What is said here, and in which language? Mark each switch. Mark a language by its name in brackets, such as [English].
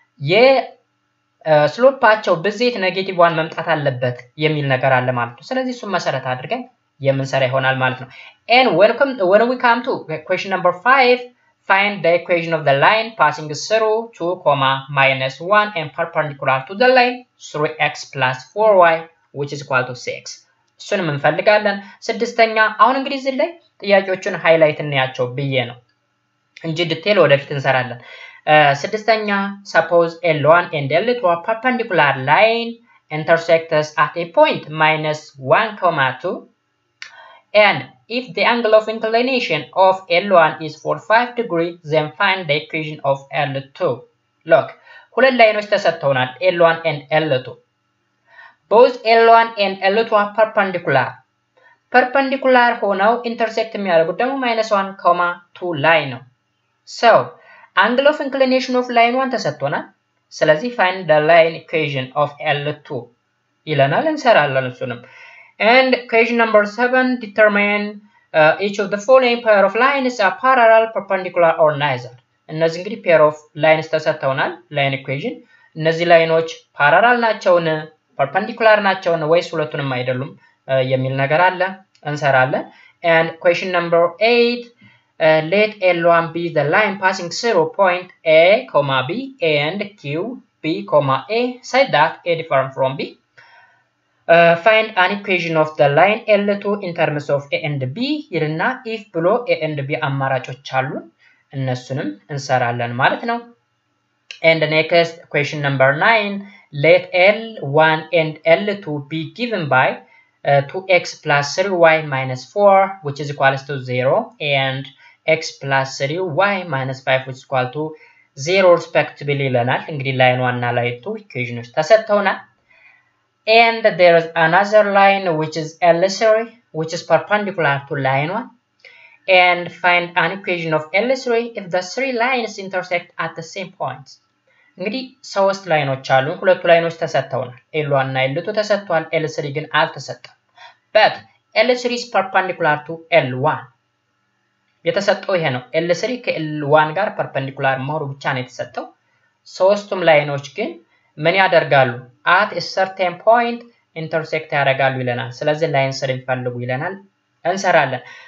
[Amharic] የስሎፓቸው ብዜት negative 1 መምጣት አለበት የሚል ነገር አለ ማለት ነው [English] ስለዚህ እሱ መሰረት አድርገን የምንሰራ ይሆናል ማለት ነው and when we come to question number 5 find the equation of the line passing through 2, minus 1 and perpendicular to the line 3x plus 4y which is equal to 6 [Amharic] ሱንም እንፈልጋለን ስድስተኛ አሁን እንግዲህ እዚህ ላይ ጥያቄዎቹን ሃይላይት እናያቸው ብዬ ነው እንጂ ዲቴል ወደፊት እንሰራለን። ስድስተኛ [English] suppose L1 and L2 are perpendicular line intersects at a point -1.2 and if the angle of inclination of L1 is 45 degree then find the equation of L2. Look, [Amharic] ሁለት ላይኖች ተሰጥተውናል [English] L1 and L2. Both L1 and L2 are perpendicular. [Amharic] Perpendicular ሆነው intersect የሚያደርጉ ደግሞ -1.2 ላይ ነው። [English] So, angle of inclination of line 1 [Amharic] ተሰጥቶናል. [English] ስለዚህ find the line equation of L2 [Amharic] ይለናል እንሰራለን እሱንም. [English] And equation number 7 determine each of the following pair of lines are parallel, perpendicular or neither. [Amharic] እነዚህ እንግዲህ pair of lines ተሰጥተውናል line equation. እነዚህ ላይኖች parallel ናቸውን perpendicular ናቸውን ወይስ ሁለቱንም አይደሉም የሚል ነገር አለ እንሰራለን. [English] And question number 8 let L1 be the line passing through point A, B and Q, B, A such that A differs from B. Find an equation of the line L2 in terms of A and B. [Amharic] ይርና if below A and B አማራጮች አሉ እነሱንም እንሰራለን ማለት ነው. [English] And the next question number 9 let L1 and L2 be given by 2x plus 3y minus 4 which is equal to 0 and x plus 3y minus 5 which is equal to 0 respectively ይለናል. [Amharic] እንግዲህ ላይን 1 እና ላይን 2 ኢኩዌሽኖች ተሰጥተውናል. [English] And there is another line which is L3 which is perpendicular to line 1 and find an equation of L3 if the three lines intersect at the same point. [Amharic] እንግዲህ ሶስት ላይኖች አሉ ሁለቱ ላይኖች ተሰጥተውናል L1 እና L2 ተሰጥቷል L3 ግን አልተሰጠም. [English] But L3 is perpendicular to L1 [Amharic] የተሰጠው ይሄ ነው L3 ከL1 ጋር perpendicular መሆኑ ብቻ ነው የተሰጠው. ሶስቱም ላይኖች ግን ምን ያደርጋሉ [English] at a certain point intersect [Amharic] ያደርጋሉ ይለናል. ስለዚህ ላይን ስር እንፈልጉ ይለናል እንሰራለን.